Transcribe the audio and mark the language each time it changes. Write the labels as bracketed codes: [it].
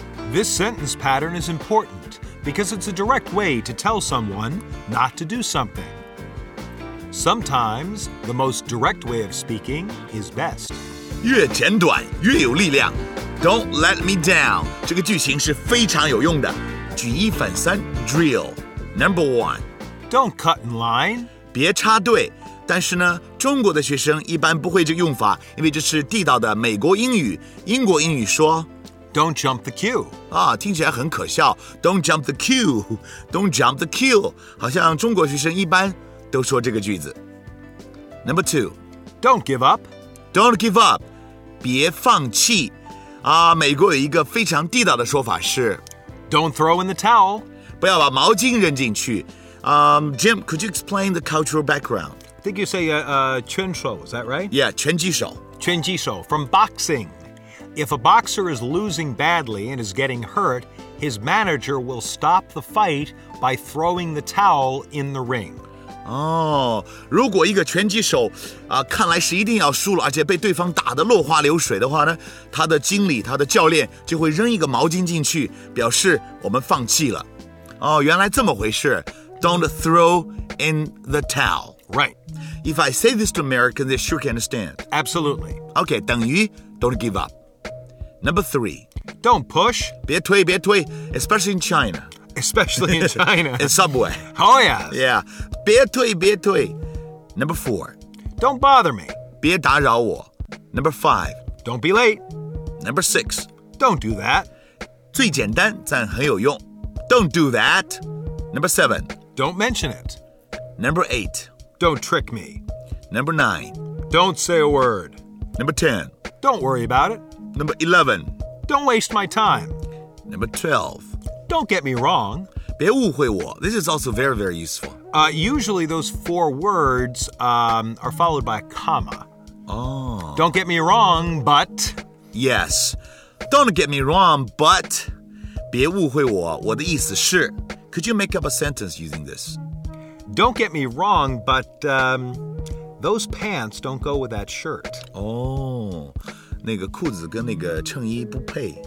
[en] This sentence pattern is important because it's a direct way to tell someone not to do something. Sometimes the most direct way of speaking is best. [zh] 越简短越有力量。 [en] Don't let me down. [zh] 这个句型是非常有用的。举一反三 [en] drill. Number one. Don't cut in line. [zh] 别插队。但是呢，中国的学生一般不会这个用法，因为这是地道的美国英语。英国英语说 [en] Don't jump the queue. [zh] 啊，听起来很可笑。 [en] Don't jump the queue. Don't jump the queue. [zh] 好像中国学生一般都说这个句子。 [en] Number two. Don't give up. Don't give up. [zh] 别放弃。 [en] 啊，美国有一个非常地道的说法是 Don't throw in the towel. [zh] 不要把毛巾扔进去。 [en] Jim, could you explain the cultural background? I think you say [zh] 拳手, [en] is that right? [zh] Yeah, 拳击手。拳击手, [en] from boxing. If a boxer is losing badly and is getting hurt, his manager will stop the fight by throwing the towel in the ring. [zh] Oh, 如果一个拳击手、看来是一定要输了而且被对方打得落花流水的话呢他的经理他的教练就会扔一个毛巾进去表示我们放弃了。哦、原来这么回事 [en] Don't throw in the towel. Right. If I say this to Americans, they sure can understand. Absolutely. Okay, [zh] 等于 [en] don't give up. Number three. Don't push. [zh] 别推别推 [en] especially in China. Especially in China. In subway. Oh, yeah. Yeah. [zh] 别推别推 [en] Number four. Don't bother me. [zh] 别打扰我 [en] Number five. Don't be late. Number six. Don't do that. [zh] 最简单但很有用 [en] Don't do that. Number seven. Don't mention it. Number eight. Don't trick me. Number nine. Don't say a word. Number ten. Don't worry about it. Number 11. Don't waste my time. Number 12. Don't get me wrong. [zh] 别误会我 [en] This is also very, very useful. Usually those four words, are followed by a comma. Oh. Don't get me wrong, but... Yes. Don't get me wrong, but... [zh] 别误会我我的意思是 [en] Could you make up a sentence using this? Don't get me wrong, but those pants don't go with that shirt. [zh] Oh, 那个裤子跟那个衬衣不配。